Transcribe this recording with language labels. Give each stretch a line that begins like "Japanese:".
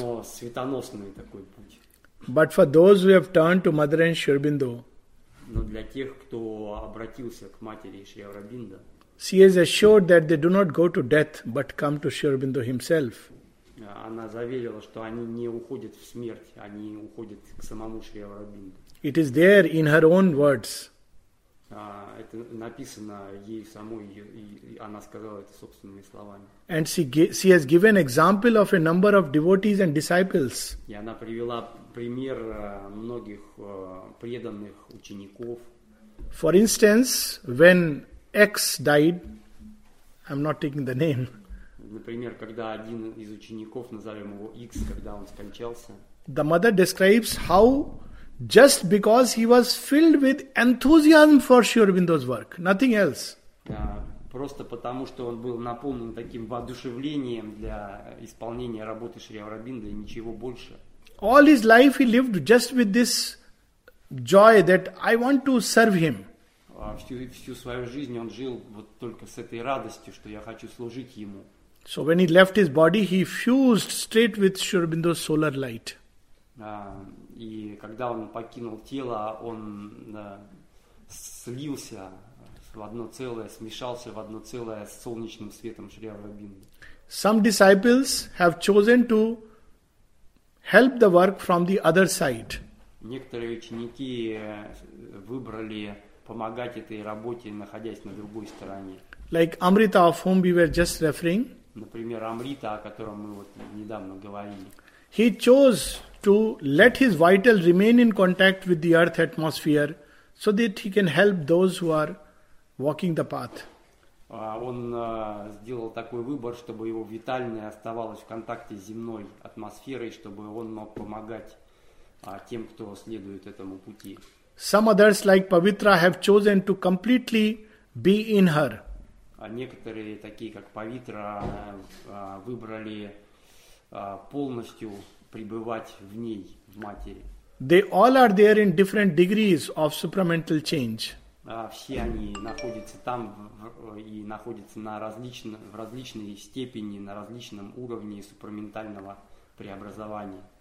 Russian: но светоносный такой путь.
English: But for those who have turned to Mother and Sri Aurobindo,
Russian: но для тех, кто обратился к матери Шри Аурабинда,
English: she has assured that they do not go to death, but come to Sri Aurobindo himself.
Russian: Она заверила, что они не уходят в смерть, они уходят к самому Шри Аурабинду.
English: It is there in her own words.
Russian: Это написано ей самой, и она сказала это собственными словами.
English: And she has given example of a number of devotees and disciples.
Russian: И она привела пример многих преданных учеников.
English: For instance, when X died, I'm not taking the name.
Russian: Например, когда один из учеников, назовем его X, когда он скончался.
English: The mother describes how just because he was filled with enthusiasm for Sri Aurobindo's work, nothing else.
Russian: Просто потому, что он был наполнен таким воодушевлением для исполнения работы Шри Аурабинды, и ничего больше.
English: All his life he lived just with this joy that I want to serve him.
Russian: Всю свою жизнь он жил вот только с этой радостью, что я хочу служить ему.
English: So when he left his body, he fused straight with Sri Aurobindo's solar light.
Russian: И когда он покинул тело, он слился в одно целое, смешался в одно целое с солнечным светом Шри Аурабинды.
English: Some disciples have chosen to help the work from the other side.
Russian: Некоторые ученики выбрали помогать этой работе, находясь на другой стороне.
English: Like Amrita, of whom we were just referring.
Russian: Например, Амрита, о котором мы вот недавно говорили.
English: He chose to let his vital remain in contact with the earth atmosphere so that he can help those who are walking the path.
Russian: Он сделал такой выбор, чтобы его витальное оставалось в контакте с земной атмосферой, чтобы он мог помогать тем, кто следует этому пути.
English: Some others, like Pavitra, have chosen to completely be in her.
Russian: Некоторые, такие как Pavitra, выбрали полностью пребывать в ней, в матери.
English: They all are there in different degrees of supramental change.
Russian: Все они находятся там и находятся в различной степени, на различном уровне супраментального преобразования.